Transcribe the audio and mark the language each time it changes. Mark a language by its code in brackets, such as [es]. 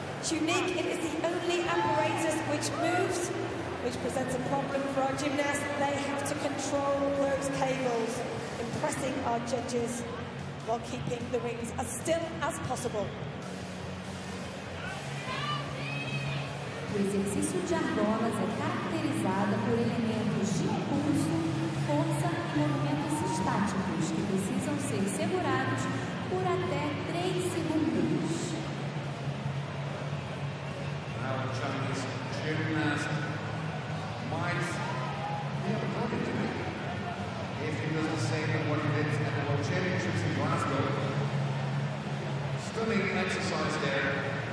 [en] Unique, it is the only apparatus which moves, which presents a problem for our gymnasts. They have to control those cables, impressing our judges while keeping the rings as still as possible. [pt] O exercício de argolas é caracterizado por elementos de impulso, força e movimentos estáticos que precisam ser segurados por até 3 segundos. [en] Our Chinese gymnast might be a target to make. If he doesn't say that what he did at the World Championships in Glasgow, stunning exercise there.